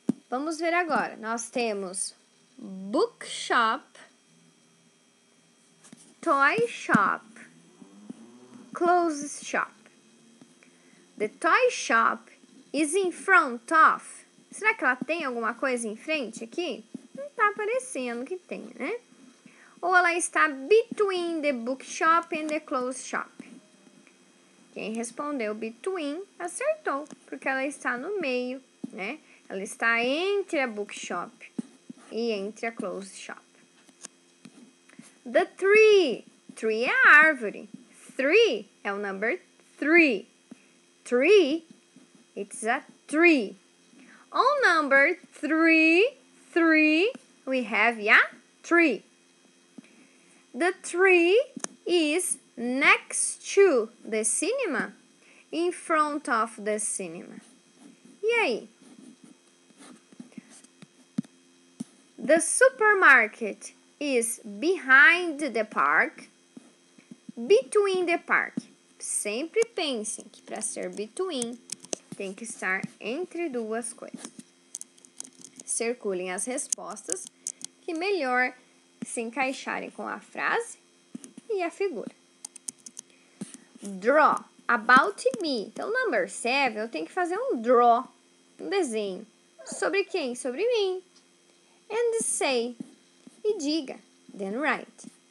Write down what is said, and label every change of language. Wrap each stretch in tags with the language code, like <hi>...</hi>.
<pt>Vamos ver agora. Nós temos bookshop, toy shop, clothes shop.</pt> <en>The toy shop is in front of.</en> <pt>Será que ela tem alguma coisa em frente aqui? Não está aparecendo que tem, né? Ou ela está</pt> <en>between the bookshop and the clothes shop?</en> <pt>Quem respondeu between acertou, porque ela está no meio, né? Ela está entre a bookshop e entre a clothes shop.</pt> <en>The tree. Tree</en> <pt>é a árvore.</pt> <en>Three</en> <pt>é o</pt> <en>number three. Three, it's a tree. On number three, we have a tree. The tree is next to the cinema, in front of the cinema.</en> <pt>E aí?</pt> <en>The supermarket is behind the park, between the park.</en> <pt>Sempre pensem que para ser between, tem que estar entre duas coisas. Circulem as respostas que melhor se encaixarem com a frase e a figura. Draw.</pt> <en>About me.</en> <pt>Então, number 7, eu tenho que fazer um draw um desenho. Sobre quem? Sobre mim.</pt> <en>And say.</en> <pt>E diga.</pt> <en>Then write.</en>